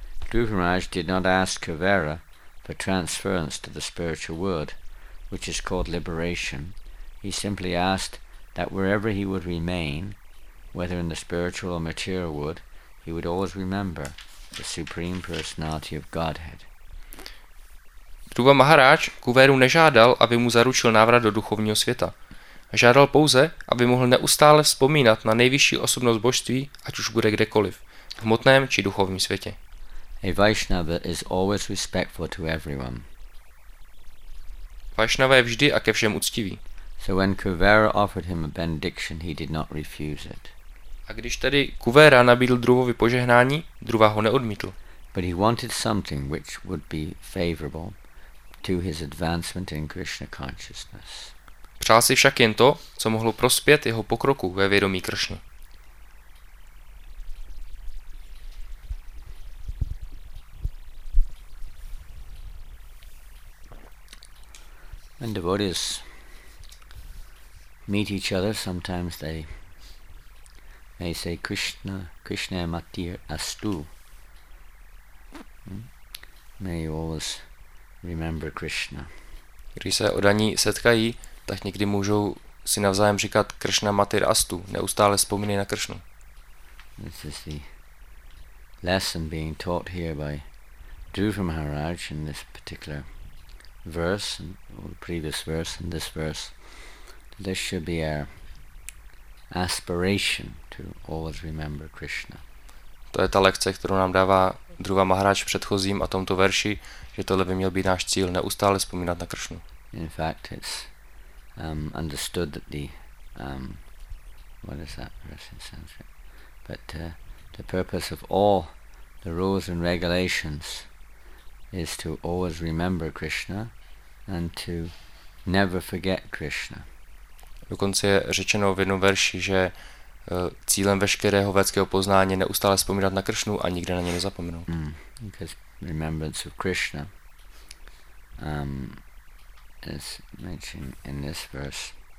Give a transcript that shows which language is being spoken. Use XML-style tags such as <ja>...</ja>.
<en>Dhruva Maharaj did not ask Kuvera for transference to the spiritual world, which is called liberation. He simply asked that wherever he would remain, whether in the spiritual or material world, he would always remember the Supreme Personality of Godhead.</en> <cs>Dhruva Maharaj Kuveru nežádal, aby mu zaručil návrat do duchovního světa. Žádal pouze, aby mohl neustále vzpomínat na nejvyšší osobnost božství, ať už bude kdekoliv, v hmotném či duchovním světě.</cs> <en>A Vaishnava is always respectful to everyone.</en> <cs>Vaishnava je vždy a ke všem uctivý.</cs> <en>So when Kuvera offered him a benediction, he did not refuse it.</en> <cs>A když tedy Kuvera nabídl Dhruvovi požehnání, Dhruva ho neodmítl.</cs> <en>But he wanted something which would be favorable to his advancement in Krishna consciousness.</en> <cs>Přál si však jen to, co mohlo prospět jeho pokroku ve vědomí Kršny.</cs> <en>When devotees meet each other, sometimes they may say Krishna,</en> <sa>Krishna Matir Astu.</sa> <en>May you always remember Krishna.</en> <cs>Když se odaní setkají, tak někdy můžou si navzájem říkat</cs> <sa>Krishna Matir Astu,</sa> <cs>neustále vzpomínej na Kršnu.</cs> <en>This is the lesson being taught here by Dhruva Maharaj in this particular verse, or the previous verse, and this verse. This should be our aspiration to always remember Krishna.</en> <cs>To je ta lekce, kterou nám dává Dhruva Maharaj v předchozím a tomto verši, že tohle by měl být náš cíl, neustále vzpomínat na Kršnu.</cs> <en>In fact, it's understood that the what is that verse in Sanskrit? But the purpose of all the rules and regulations is to always remember Krishna and to never forget Krishna.</en> <cs>Dokonce je řečeno v jednom verši, že cílem veškerého védského poznání je neustále vzpomínat na Kršnu a nikdy na ně nezapomenout.</cs> <en>Because remembrance of Krishna is mentioned in this verse.</en>